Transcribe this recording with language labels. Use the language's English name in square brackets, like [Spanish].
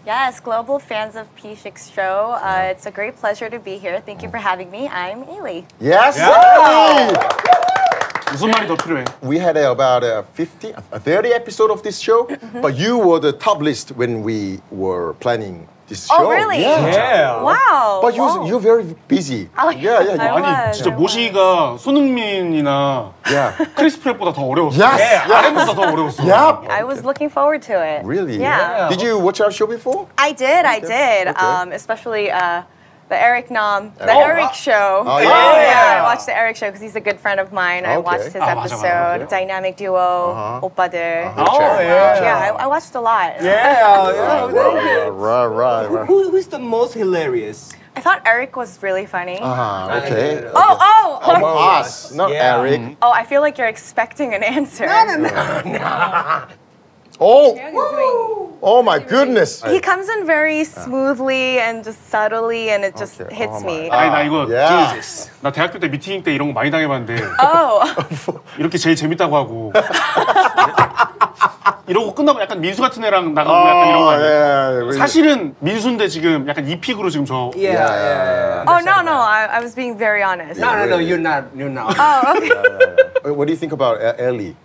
[English] Yes, global fans of Pacific Show. It's a great pleasure to be here. Thank you for having me. I'm Ailey. Yes, Ailey! We had about 30 episodes of this show, mm-hmm. but you were the top list when we were planning this show. Oh, really? Yeah. Wow. But you're very busy. Yeah. [Korean] 아니, 진짜 모시기가 손흥민이나 크리스 프렛보다 더 어려웠어. [English] Yes. [Korean] RM보다 더 어려웠어. [English] Yeah. I was looking forward to it. Really? Yeah. Did you watch our show before? I did. Okay. Especially The Eric Nam. The Eric Show. Oh, yeah. Yeah, yeah. I watched the Eric Show because he's a good friend of mine. Okay. I watched his episode. Okay. Dynamic duo. Uh-huh. Oppa there. Uh-huh. Oh, yeah. Yeah, I watched a lot. Yeah. Right. Who's the most hilarious? I thought Eric was really funny. Okay. Oh, us, not yeah. Eric. Oh, I feel like you're expecting an answer. No. Oh. Oh my goodness. He comes in very smoothly and just subtly, and it just okay. hits me. [Korean] 아니 나 이거 Jesus. 나 대학교 때 미팅 때 이런 거 많이 당해봤는데. [English] Oh. [Korean] 이렇게 제일 재밌다고 하고. 이러고 끝나고 약간 민수 같은 애랑 나가고 약간 이런 거 아니에요? [English] Yeah, yeah, yeah. [Korean] 사실은 민수인데 지금 약간 이픽으로 지금 저 [English] yeah, yeah, yeah, yeah. Oh, no, no. I was being very honest. No, no, no. You're not. Oh, okay. Yeah, yeah, yeah. What do you think about Ellie?